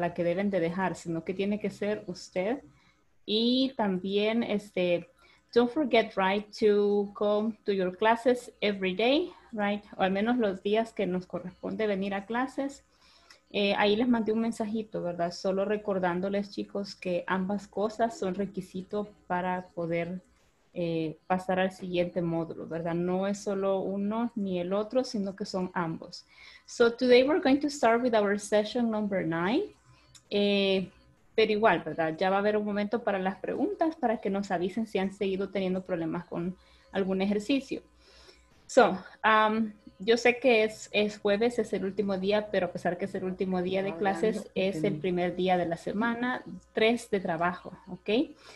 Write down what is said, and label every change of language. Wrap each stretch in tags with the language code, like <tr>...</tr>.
<es>La que deben de dejar, sino que tiene que ser usted. Y también,</es> <en>don't forget, right, to come to your classes every day, right?</en> <es>O al menos los días que nos corresponde venir a clases. Ahí les mandé un mensajito, ¿verdad? Solo recordándoles, chicos, que ambas cosas son requisito para poder pasar al siguiente módulo, ¿verdad? No es solo uno ni el otro, sino que son ambos.</es> <en>So today we're going to start with our session number 9.</en> <es>Pero igual, ¿verdad? Ya va a haber un momento para las preguntas para que nos avisen si han seguido teniendo problemas con algún ejercicio. So, yo sé que es jueves, es el último día, pero a pesar que es el último día de clases, es el primer día de la semana 3 de trabajo, ¿ok?</es>